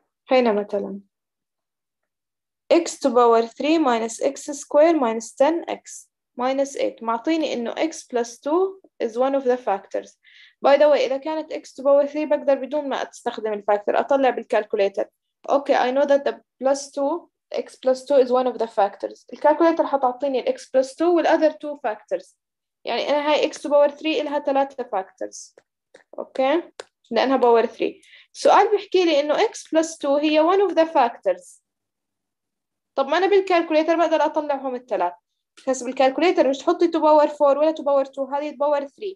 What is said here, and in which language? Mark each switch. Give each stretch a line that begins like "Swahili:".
Arabic: هنا مثلا
English: x to power 3 minus x square minus 10x minus 8
Arabic: معطيني انه
English: x plus 2 is one of the factors. By the way
Arabic: اذا كانت x to power 3 بقدر بدون ما استخدم الفاكتور اطلع بالكالكوليتر.
English: Okay I know that the plus 2 x plus 2 is one of the factors.
Arabic: الكالكوليتر حتعطيني
English: x plus 2 والاذر 2 factors.
Arabic: يعني أنا هاي x to power 3 إلها ثلاثة factors. أوكي؟ لأنها power 3. سؤال بيحكي لي إنه x plus 2 هي
English: one of the factors.
Arabic: طب ما أنا بالكالكوليتر بقدر أطلعهم الثلاث. بس بالكالكوليتر مش تحطي 2 power 4 ولا 2 power 2، هذه power 3.